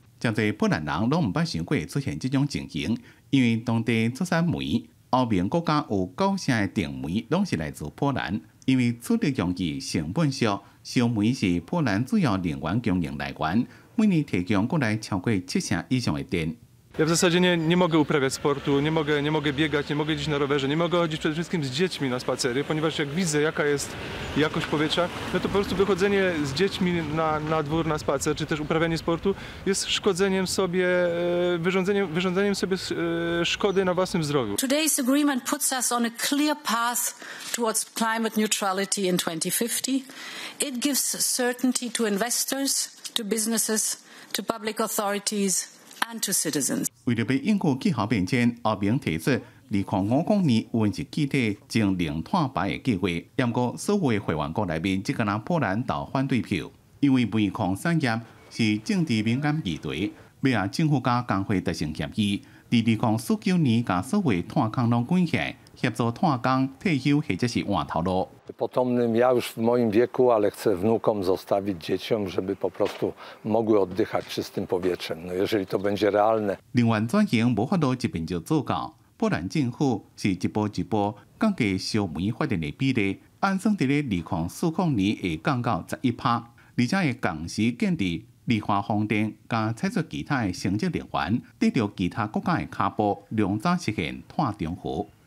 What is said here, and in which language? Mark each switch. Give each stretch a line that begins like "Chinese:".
Min Nan Chinese: 真侪波兰人拢唔捌想过出现这种情形，因为当地出产煤，欧盟国家有90%的电煤拢是来自波兰，因为处理用具成本少，烧煤是波兰主要能源供应来源，每年提供国内超过70%以上的电。
Polish: Ja w zasadzie nie mogę uprawiać sportu, nie mogę biegać, nie mogę iść na rowerze, nie mogę chodzić przede wszystkim z dziećmi na spacery, ponieważ jak widzę, jaka jest jakość powietrza, no to po prostu wychodzenie z dziećmi na dwór, na spacer, czy też uprawianie sportu jest szkodzeniem sobie, wyrządzeniem sobie szkody na własnym zdrowiu.
English: Today's agreement puts us on a clear path towards climate neutrality in 2050. It gives certainty to investors, to businesses, to public authorities.
Min Nan Chinese: 为了要应付气候变迁，欧盟提出2050年温室气体净零碳排的计划。不过，所有的会员国内面只敢拿波兰投反对票，因为煤矿产业是政治敏感议题，要让政府加工会达成协议，在2049年把所有碳坑拢关起来，协助碳工退休或者是换头路。
Polish: Potomnym ja już w moim wieku, ale chcę wnukom zostawić dzieciom, żeby po prostu mogły oddychać czystym powietrzem. No jeżeli to będzie realne.
Min Nan Chinese: 另外，转型无法度一边就做到。波兰政府是一步一步降低烧煤发电的比例，按算伫咧2040年会降到11%，而且会同时建立绿化风电，加采取其他的生物能源，跟着其他国家的脚步，两者实现碳中和。